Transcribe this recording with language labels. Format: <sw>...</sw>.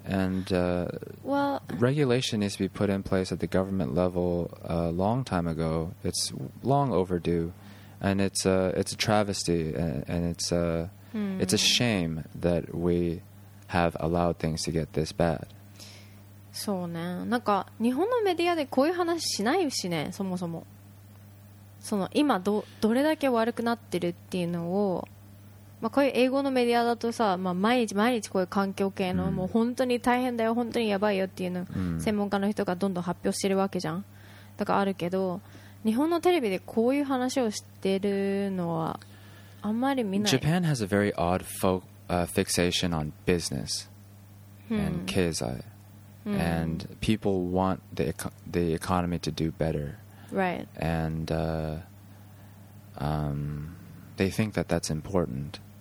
<en>And regulation needs to be put in place at the government level a long time ago. It's long overdue, and it's a travesty, and it's a shame that we have allowed things to get this bad.</en> <ja>そうね。なんか日本のメディアでこういう話しないしね、そもそも。その今 どれだけ悪くなってるっていうのを、まあ、こういう英語のメディアだとさ、まあ、毎日こういう環境系のもう本当に大変だよ、本当にやばいよっていうの専門家の人がどんどん発表してるわけじゃん。だからあるけど、日本のテレビでこういう話をしてるのはあんまり見ない。</ja> <en>Japan has a very odd fixation on business and 経済 and people want the economy to do better Right. And they think that that's important.</en>